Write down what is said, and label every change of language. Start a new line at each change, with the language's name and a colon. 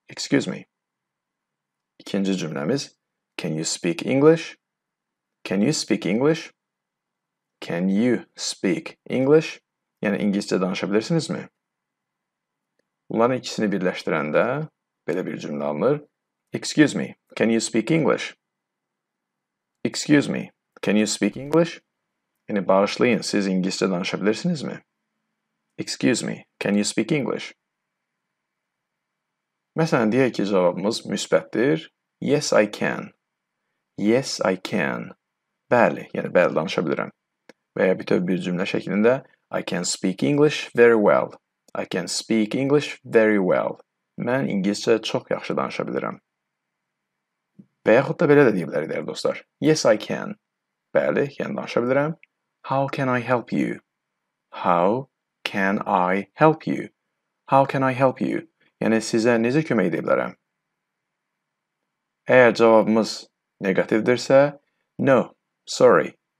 English: Excuse me.
Azerbaijani: İkinci cümləmiz,
English: can you speak English? Can you speak English? Can you speak English?
Azerbaijani: Yəni, ingiliscə danışa bilirsinizmi? Bunların ikisini birləşdirəndə belə bir cümlə alınır.
English: Excuse me, can you speak English? Excuse me, can you speak English?
Azerbaijani: Yəni, bağışlayın, siz ingiliscə danışa bilirsinizmi?
English: Excuse me, can you speak English?
Azerbaijani: Məsələn, deyək ki, cavabımız müsbətdir.
English: Yes, I can. Yes, I can.
Azerbaijani: Bəli, yəni, bəli danışa bilirəm. Və ya bütöv bir cümlə şəklində,
English: I can speak English very well. I can speak English very well.
Azerbaijani: Mən ingiliscə çox yaxşı danışa bilirəm. Və yaxud da belə də deyə bilərik, dəyər dostlar.
English: Yes, I can.
Azerbaijani: Bəli, yəni danışa bilirəm.
English: How can I help you? How can I help you? How can I help you?
Azerbaijani: Yəni, sizə necə kömək edə bilərəm? Əgər cavabımız negativdirsə,
English: no, sorry.